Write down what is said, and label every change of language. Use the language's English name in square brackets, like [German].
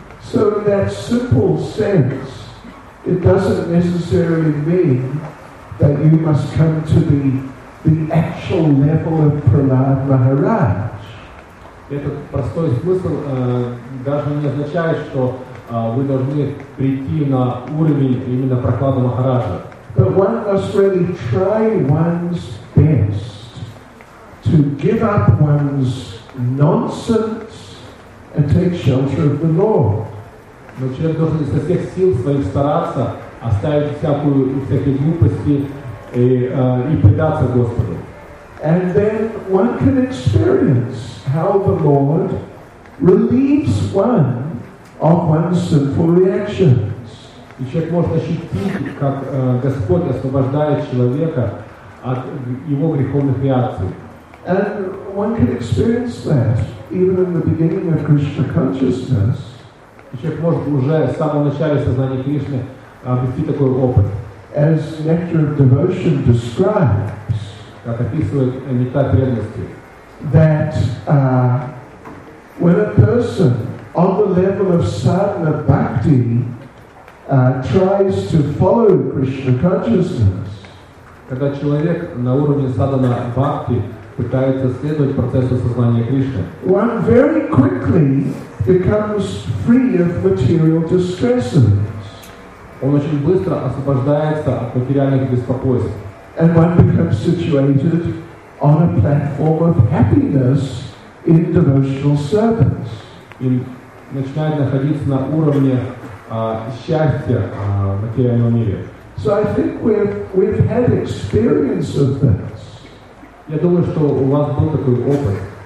[English] So in that simple sense, it doesn't necessarily mean that you must come to the actual level of Prahlad Maharaj. [Russian] Этот простой смысл даже не означает, что вы должны прийти на уровень именно Прохлады Махараджа. [English] But one must really try one's best to give up one's nonsense and take shelter of the Lord. [Russian] Но человек должен со всех сил своих стараться оставить всякие глупости и предаться Господу. [English] And then one can experience how the Lord relieves one of one's sinful reactions. [Russian] И человек может ощутить, как Господь освобождает человека от его греховных реакций. [English] And one can experience that even in the beginning of Krishna consciousness. [Russian] И человек может уже с самого начала сознания Кришны обрести такой опыт. [English] As Nectar of Devotion describes, [Russian] как описывает Нектар Преданности, [English] that when a person on the level of sadhana bhakti tries to follow Krishna consciousness, [Russian] когда человек на уровне sadhana bhakti пытается следовать процессу сознания Кришны, [English] one very quickly becomes free of material distresses. [Russian] Он очень быстро освобождается от материальных беспокойств. [English] And one becomes situated on a platform of happiness in devotional service. [Russian] И начинает находиться на уровне счастья в материальном мире. [English] So I think we've had experience of this. [Russian] Я думаю, что у вас был такой опыт.